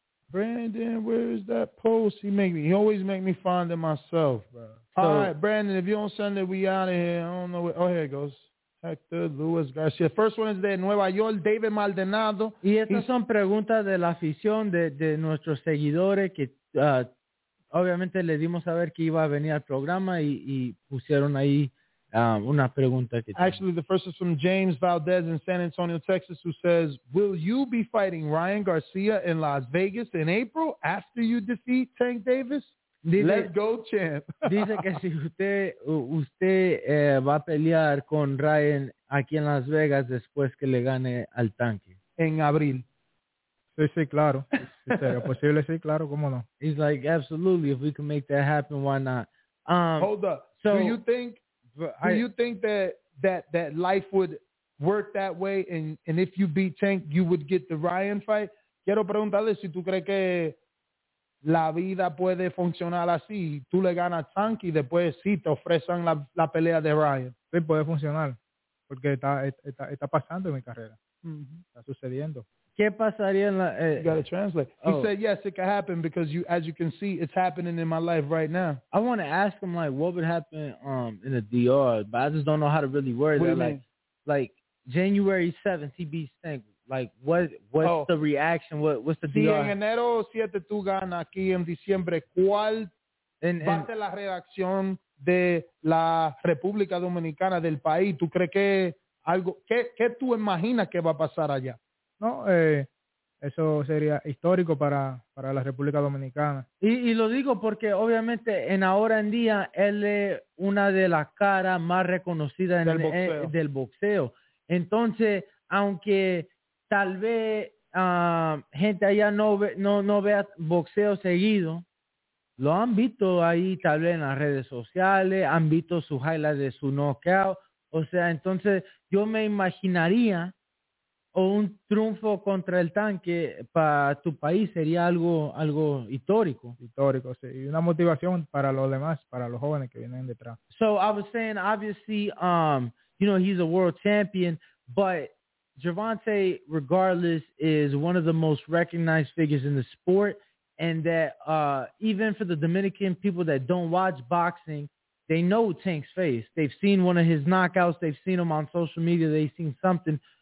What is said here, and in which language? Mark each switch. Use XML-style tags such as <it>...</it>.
<en>Brandon, where is that post? He always make me find it myself, bro. So, all right, Brandon, if you don't send it, we out of here. I don't know where. Oh, here it goes. Hector Luis Garcia. First one is</en> <es>de Nueva York,</es> <en>David Maldonado.</en> <es>Y estas son preguntas de la afición de nuestros seguidores que. Obviamente le dimos a ver que iba a venir al programa y pusieron ahí una pregunta.</es> <en>Actually, the first is from James Valdez in San Antonio, Texas, who says, will you be fighting Ryan Garcia in Las Vegas in April after you defeat Tank Davis? Let's go, champ.</en> <es>Dice que si usted va a pelear con Ryan aquí en Las Vegas después que le gane al tanque. En abril. Sí, claro. Sí, posible, sí, claro, cómo no.</es> <en>He's like, absolutely, if we can make that happen, why not? Hold up. So, do you think that life would work that way and if you beat Tank, you would get the Ryan fight?</en> <es>Quiero preguntarle si tú crees que la vida puede funcionar así. Tú le ganas a Tank y después sí te ofrecen la pelea de Ryan. Sí, puede funcionar porque está pasando en mi carrera. Mm-hmm. Está sucediendo. ¿Qué pasaría en la,</es> <en>you got to translate. He said, yes, it could happen because as you can see, it's happening in my life right now. I want to ask him, like, what would happen in a DR, but I just don't know how to really word that. Like, January 7th, he beats Tank. Like, what's the reaction? What's the DR?</en> <es>Si en enero 7 tú ganas aquí en diciembre, ¿cuál va a ser la reacción de la República Dominicana, del país? ¿Tú crees que algo, qué tú imaginas que va a pasar allá? No, eso sería histórico para la República Dominicana. Y lo digo porque obviamente en ahora en día él es una de las caras más reconocidas del boxeo. Entonces, aunque tal vez gente allá no vea boxeo seguido, lo han visto ahí tal vez en las redes sociales, han visto su highlight de su knockout. O sea, entonces yo me imaginaría o un triunfo contra el tanque para tu país sería algo histórico. Histórico, sí. Y una motivación para los demás, para los jóvenes que vienen detrás.</es> <en>So I was saying, obviously, you know, he's a world champion, but Gervonta, regardless, is one of the most recognized figures in the sport. And that even for the Dominican people that don't watch boxing, they know Tank's face. They've seen one of his knockouts. They've seen him on social media. They've seen something.</en>